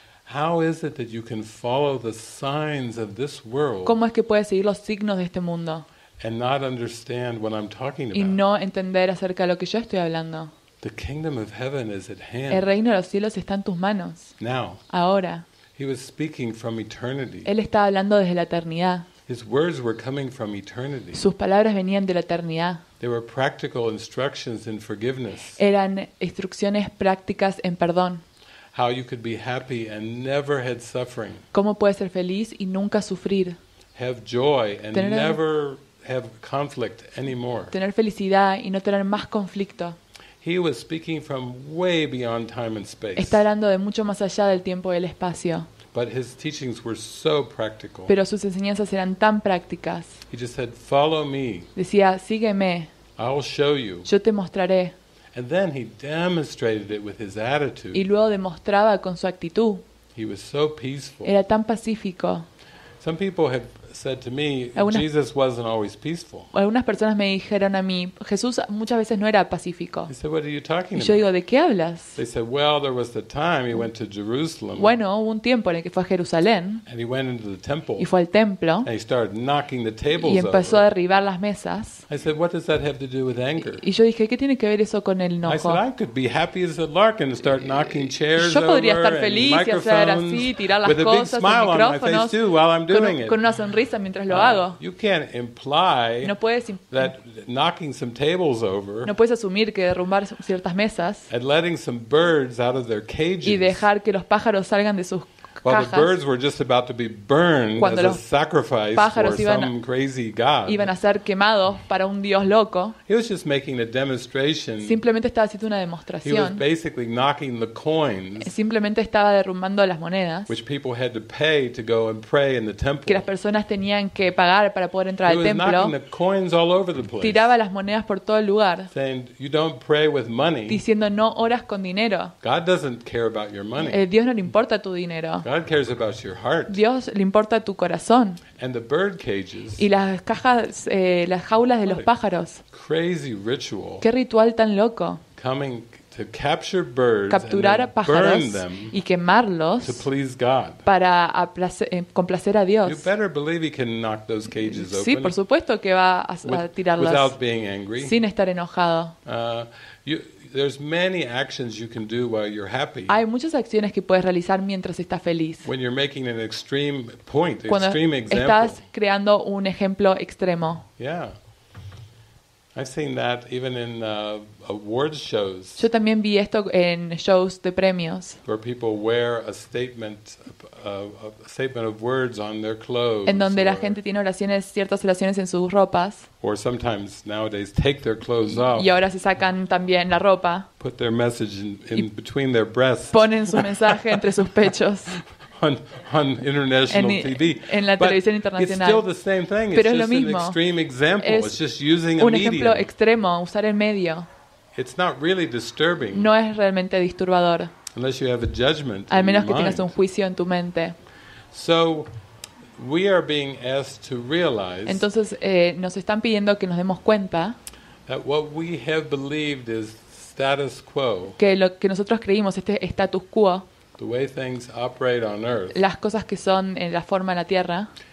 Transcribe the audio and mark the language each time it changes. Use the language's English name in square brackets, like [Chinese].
[English] How is it that you can follow the signs of this world? [Spanish] ¿Cómo es que puedes seguir los signos de este mundo? [English] And not understand what I'm talking about. [Spanish] Y no entender acerca de lo que yo estoy hablando. [English] The kingdom of heaven is at hand. [Spanish] El reino de los cielos está en tus manos. [English] Now. [Spanish] Ahora. [English] He was speaking from eternity. [Spanish] Él estaba hablando desde la eternidad. [English] His words were coming from eternity. [Spanish] Sus palabras venían de la eternidad. [English] They were practical instructions in forgiveness. [Spanish] Eran instrucciones prácticas en perdón. [English] How you could be happy and never had suffering. [Spanish] ¿Cómo puedes ser feliz y nunca sufrir? [English] Have joy and never have conflict anymore. [Spanish] Tener felicidad y no tener más conflicto. [English] He was speaking from way beyond time and space. [Spanish] Está hablando de mucho más allá del tiempo y el espacio. [English] But his teachings were so practical. [Spanish] Pero sus enseñanzas eran tan prácticas. [English] He just said, "Follow me." [Spanish] Decía, sígueme. [English] I'll show you. [Spanish] Yo te mostraré. [English] And then he demonstrated it with his attitude. [Spanish] Y luego demostraba con su actitud. [English] He was so peaceful. [Spanish] Era tan pacífico. [English] Some people have said to me, "Jesus wasn't always peaceful." [Spanish] Algunas personas me dijeron a mí, Jesús muchas veces no era pacífico. [English] They said, "What are you talking about?" [Spanish] Y yo digo, ¿de qué hablas? [English] They said, "Well, there was the time he went to Jerusalem." [Spanish] Bueno, hubo un tiempo en el que fue a Jerusalén. [English] And he went into the temple. [Spanish] Y fue al templo. [English] And he started knocking the tables. [Spanish] Y empezó a derribar las mesas. [English] I said, "What does that have to do with anger?" [Spanish] Y yo dije, ¿qué tiene que ver eso con el enojo? [English] I said, "I could be happy as a lark and start knocking chairs over." [Spanish] Yo podría estar feliz y hacer así, tirar las cosas, el micrófono, con una sonrisa mientras lo hago. [English] You can't imply that knocking some tables over. [Spanish] No puedes asumir que derrumbar ciertas mesas. [English] And letting some birds out of their cages. [Spanish] Y dejar que los pájaros salgan de sus cajas. [English] While the birds were just about to be burned as a sacrifice for some crazy god. [Spanish] Iban a ser quemados para un dios loco. [English] He was just making a demonstration. [Spanish] Simplemente estaba haciendo una demostración. [English] He was basically knocking the coins. [Spanish] Simplemente estaba derrumbando las monedas. [English] Which people had to pay to go and pray in the temple. [Spanish] Que las personas tenían que pagar para poder entrar al templo. [English] He was knocking the coins all over the place. [Spanish] Tiraba las monedas por todo el lugar. [English] Saying, "You don't pray with money." [Spanish] Diciendo, no oras con dinero. [English] God doesn't care about your money. [Spanish] El Dios no le importa tu dinero. [English] God cares about your heart. [Spanish] Dios le importa tu corazón. [English] And the bird cages. [Spanish] Y las cajas, las jaulas de los pájaros. [English] Crazy ritual. [Spanish] Qué ritual tan loco. [English] Coming to capture birds. [Spanish] Capturar [English] and [Spanish] a pájaros [English] burn them [Spanish] y quemarlos. [English] To please God. [Spanish] Para complacer a Dios. [English] You better believe he can knock those cages open. [Spanish] Sí, por supuesto que va a tirarlos. [English] Without being angry. [Spanish] Sin estar enojado. [English] There's many actions you can do while you're happy. [Spanish] Hay muchas acciones que puedes realizar mientras estás feliz. [English] When you're making an extreme point, [Spanish] cuando [English] extreme example. [Spanish] Estás creando un ejemplo extremo. [English] Yeah. I've seen that even in awards shows. [Spanish] Yo también vi esto en shows de premios. [English] Where people wear a statement of words on their clothes. [Spanish] En donde la gente tiene oraciones, ciertas oraciones en sus ropas. [English] Or sometimes nowadays take their clothes off. [Spanish] Y ahora se sacan también la ropa. [English] Put their message in between their breasts. [Spanish] Ponen su mensaje entre sus pechos. [English] On international TV. [Spanish] En la televisión internacional. [English] It's still the same thing. [Spanish] Pero [English] it's just [Spanish] lo mismo. [English] An extreme example. It's just using a [Spanish] medium. Un ejemplo [English] medium. [Spanish] Extremo, usar el medio. [English] It's not really disturbing. [Spanish] No es realmente disturbador. [English] Unless you have a judgment. [Spanish] Al menos [English] in your [Spanish] que [English] mind. [Spanish] Tengas un juicio en tu mente. [English] So we are being asked to realize. [Spanish] Entonces nos están pidiendo que nos demos cuenta. [English] That what we have believed is status quo. [Spanish] Que lo que nosotros creímos este status quo. [English] The way things operate on earth. [Spanish] Las cosas que son en la forma en la tierra.